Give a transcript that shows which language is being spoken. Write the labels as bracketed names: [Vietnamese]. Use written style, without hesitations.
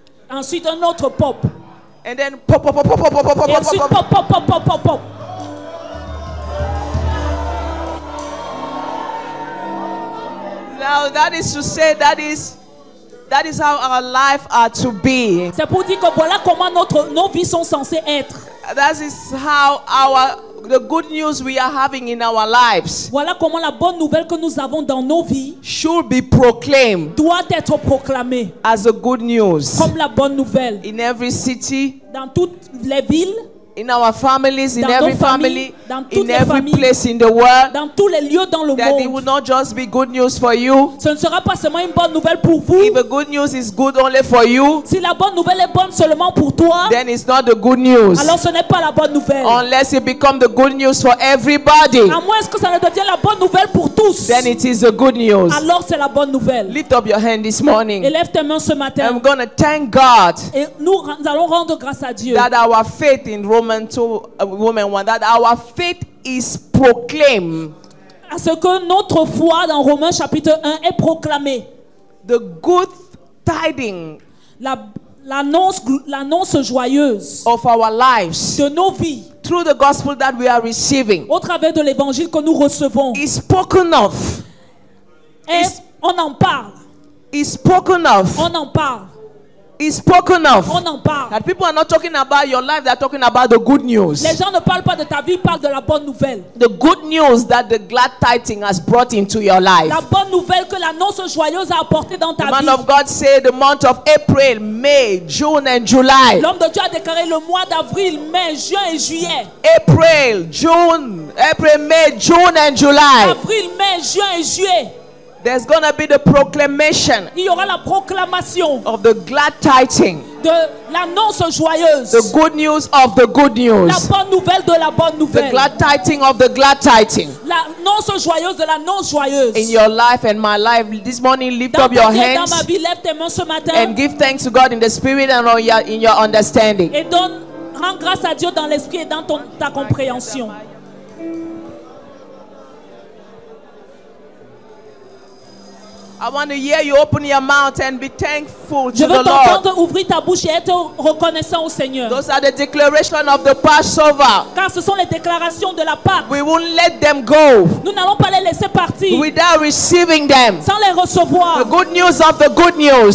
[French] Ensuite un autre pop. [English] And then pop pop pop pop pop pop pop [French] et ensuite, pop pop pop pop pop pop. [English] Now that is to say that is how our life are to be. [French] C'est pour dire que voilà comment nos vies sont censées être. [English] That is how the good news we are having in our lives. [French] Voilà comment la bonne nouvelle que nous avons dans nos vies [English] should be proclaimed. [French] Doit être proclamée [English] as a good news. [French] Comme la bonne nouvelle [English] in every city. [French] Dans toutes les villes. [English] In our families, in [French] dans [English] every family, [French] familles, [English] in every [French] familles, [English] place in the world, [French] dans tous les lieux dans le [English] that [French] monde. [English] It will not just be good news for you. [French] Ce ne sera pas seulement une bonne nouvelle pour vous. [English] If the good news is good only for you, [French] si la bonne nouvelle est bonne seulement pour toi, [English] then it's not the good news. [French] Alors ce n'est pas la bonne nouvelle. [English] Unless it becomes the good news for everybody, [French] à moins que ça ne devienne la bonne nouvelle pour tous, [English] then it is the good news. [French] Alors c'est la bonne nouvelle. [English] Lift up your hand this morning. [French] Élève tes mains ce matin. [English] I'm going to thank God. [French] Et nous allons rendre grâce à Dieu. [English] That our faith in Romans. To a woman one that our faith is proclaimed. [French] À ce que notre foi dans Romains chapitre 1 est proclamée. [English] The good tidings. [French] L'annonce joyeuse. [English] Of our lives. [French] De nos vies. [English] Through the gospel that we are receiving. [French] Au travers de l'évangile que nous recevons. [English] Is spoken of. [French] On en parle. [English] Is spoken of. [French] On en parle. [English] Is spoken of. [French] On en parle. [English] That people are not talking about your life, they are talking about the good news. [French] Les gens ne parlent pas de ta vie, parlent de la bonne nouvelle. [English] The good news that the glad tidings has brought into your life. [French] La bonne nouvelle que l'annonce joyeuse a apporté dans ta [English] the [French] vie. [English] Man of God said the month of April, May, June and July. [French] L'homme de Dieu a déclaré le mois d'avril, mai, juin et juillet. [English] April, June, April, May, June and July. [French] Avril, mai, juin et juillet. [English] There's gonna be the proclamation. [French] Il y aura la proclamation [English] of the glad tidings. [French] De l'annonce joyeuse. [English] The good news of the good news. [French] La bonne nouvelle de la bonne nouvelle. [English] The glad tidings of the glad tidings. [French] L'annonce joyeuse de l'annonce joyeuse. [English] In your life and my life, this morning lift up your hands. [French] Dans ma vie, lève tes mains ce matin. [English] And give thanks to God in the spirit and in your understanding. [French] Et donne rends grâce à Dieu dans l'esprit et dans ta compréhension. [English] I want to hear you open your mouth and be thankful to the Lord. [French] Je veux t'entendre ouvrir ta bouche et être reconnaissant au Seigneur. [English] Those are the declarations of the Passover. [French] Car ce sont les déclarations de la Pâque. [English] We won't let them go. [French] Nous n'allons pas les laisser partir. [English] Without receiving them. [French] Sans les recevoir. [English] The good news of the good news.